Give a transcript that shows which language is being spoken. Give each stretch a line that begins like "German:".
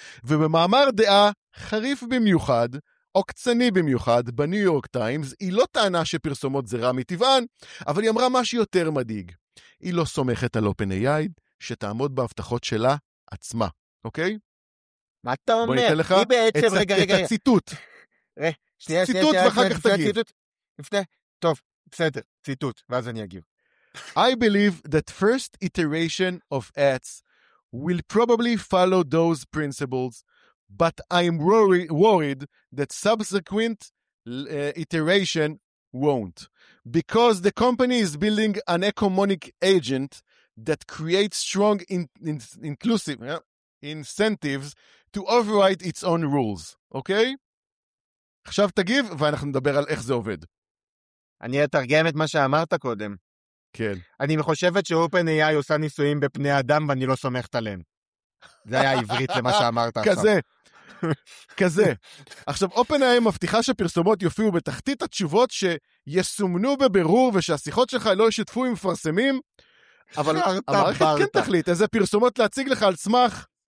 Hebrew: ובמאמר דעה חריף במיוחד, עוקצני במיוחד, בניו יורק טיימס, היא לא טענה שפרסומות זה רע מטבען, אבל היא אמרה משהו יותר מדהיג. היא לא סומכת על OpenAI שתעמוד בהבטחות שלה עצמה. אוקיי? מה אתה אומר? בוא ניתן לך את הציטוט. ציטוט ואחר כך תגיד. טוב, בסדר, ציטוט, ואז אני אגיב.
English: I believe that first iteration of ads will probably follow those principles, but I'm worried that subsequent iteration won't, because the company is building an economic agent that creates strong inclusive, incentives to override its own rules, okay?
Hebrew: עכשיו תגיב, ואנחנו נדבר על איך זה עובד. אני אתרגם את מה שאמרת קודם. כן. אני מחושבת שאופן-AI עושה ניסויים בפני אדם, ואני לא סומכת עליהם. זה היה עברית למה שאמרת עכשיו. כזה. כזה. עכשיו, אופן-AI מבטיחה שפרסומות יופיעו בתחתית התשובות שיסומנו בבירור, ושהשיחות שלך לא ישתפו עם מפרסמים, אבל המערכת כן תחליט איזה פרסומות להציג לך על סמך,